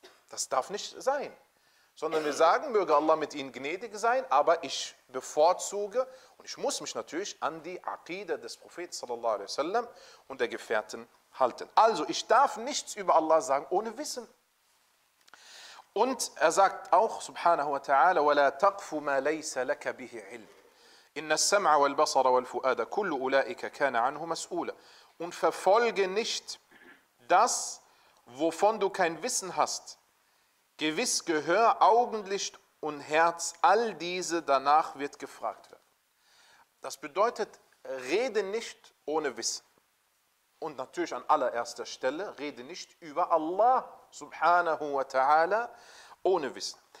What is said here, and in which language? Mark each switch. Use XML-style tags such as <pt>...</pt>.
<de>Das darf nicht sein. Sondern wir sagen, möge Allah mit ihnen gnädig sein, aber ich bevorzuge und ich muss mich natürlich an die Aqida des Propheten sallallahu alaihi wasallam und der Gefährten halten. Also ich darf nichts über Allah sagen ohne Wissen. Und er sagt auch,</de> <ar>subhanahu wa ta'ala, وَلَا تَقْفُ مَا لَيْسَ لَكَ بِهِ عِلْمٍ إِنَّ السَّمْعَ وَالْبَصَرَ وَالْفُؤَادَ كُلُّ أُولَٰئِكَ كَانَ عَنْهُ مَسْؤُولًا.</ar> <de>und verfolge nicht das, wovon du kein Wissen hast. Gewiss Gehör, Augenlicht und Herz, all diese danach wird gefragt werden. Das bedeutet, rede nicht ohne Wissen. Und natürlich an allererster Stelle, rede nicht über Allah subhanahu wa ta'ala ohne Wissen.</de>